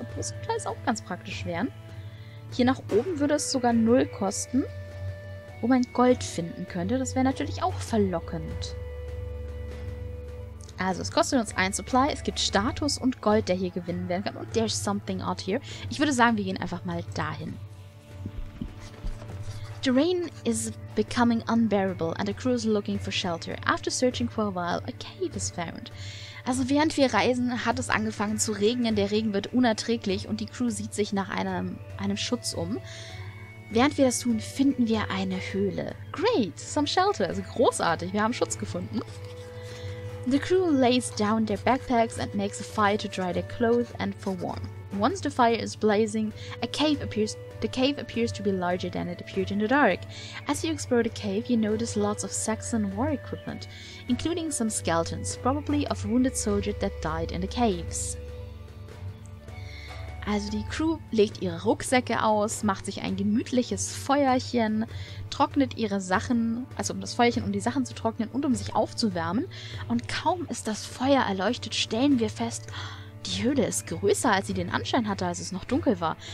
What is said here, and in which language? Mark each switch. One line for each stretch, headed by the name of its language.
German: Obwohl Supplies auch ganz praktisch wären. Hier nach oben würde es sogar 0 kosten, wo man Gold finden könnte. Das wäre natürlich auch verlockend. Also, es kostet uns ein Supply. Es gibt Status und Gold, der hier gewinnen werden kann. Und
English: there's something out here.
German: Ich würde sagen, wir gehen einfach mal dahin.
English: The rain is becoming unbearable and a crew is looking for shelter. After searching for a while, a cave is found.
German: Also während wir reisen, hat es angefangen zu regnen. Der Regen wird unerträglich und die Crew sieht sich nach einem Schutz um. Während wir das tun, finden wir eine Höhle.
English: Great, some shelter.
German: Also großartig, wir haben Schutz gefunden.
English: The crew lays down their backpacks and makes a fire to dry their clothes and for warm. Once the fire is blazing, the cave appears to be larger than it appeared in the dark. As you explore the cave, you notice lots of Saxon war equipment, including some skeletons, probably of wounded soldiers that died in the caves.
German: Also die Crew legt ihre Rucksäcke aus, macht sich ein gemütliches Feuerchen, trocknet ihre Sachen, also um das Feuerchen, um die Sachen zu trocknen und um sich aufzuwärmen. Und kaum ist das Feuer erleuchtet, stellen wir fest, die Höhle ist größer, als sie den Anschein hatte, als es noch dunkel war.